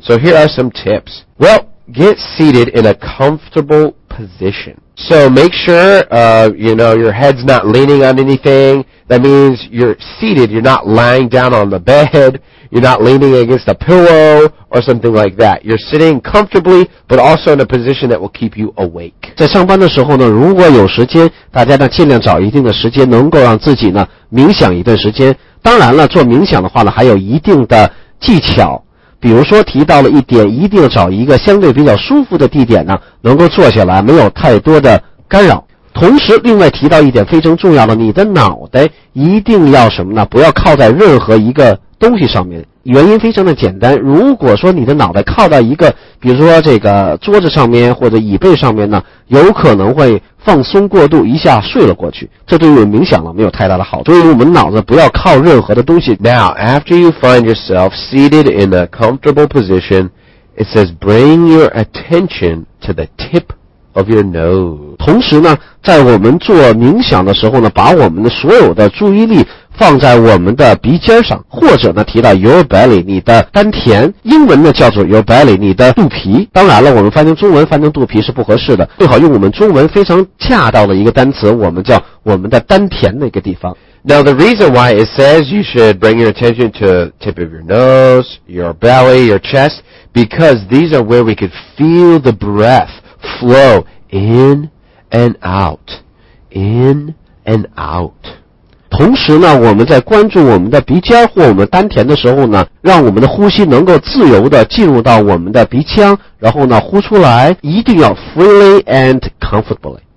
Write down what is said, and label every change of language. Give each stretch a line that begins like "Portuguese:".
English: So here are some tips. Well, get seated in a comfortable position. So make sure, you know, your head's not leaning on anything. That means you're seated, you're not lying down on the bed. You're not leaning against a pillow or something like that. You're sitting comfortably, but also in a position that will keep you awake.
Chinese: 在上班的时候呢，如果有时间，大家呢尽量找一定的时间，能够让自己呢冥想一段时间。当然了，做冥想的话呢，还有一定的技巧。比如说提到了一点，一定要找一个相对比较舒服的地点呢，能够坐下来，没有太多的干扰。同时另外提到一点非常重要的，你的脑袋一定要什么呢？不要靠在任何一个东西上面，原因非常的简单，如果说你的脑袋靠到一个比如说这个桌子上面或者椅背上面呢，有可能会放松过度，一下睡了过去，这对于冥想了没有太大的好处。所以我们脑子不要靠任何的东西。
English: Now after you find yourself seated in a comfortable position, it says bring your attention to the tip of your nose.
Chinese: 同时呢，在我们做冥想的时候呢，把我们的所有的注意力放在我们的鼻尖上，或者呢提到
English: your belly,
Chinese: 你的丹田，英文呢叫做
English: your belly,
Chinese: 你的肚皮。当然了，我们翻成中文翻成肚皮是不合适的，最好用我们中文非常恰当的一个单词，我们叫我们的丹田那个地方。
English: Now the reason why it says you should bring your attention to tip of your nose, your belly, your chest, because these are where we could feel the breath flow in and out, in and out.
Chinese: 同时呢，我们在关注我们的鼻尖或我们丹田的时候呢，让我们的呼吸能够自由地进入到我们的鼻腔，然后呢呼出来，一定要
English: freely and comfortably.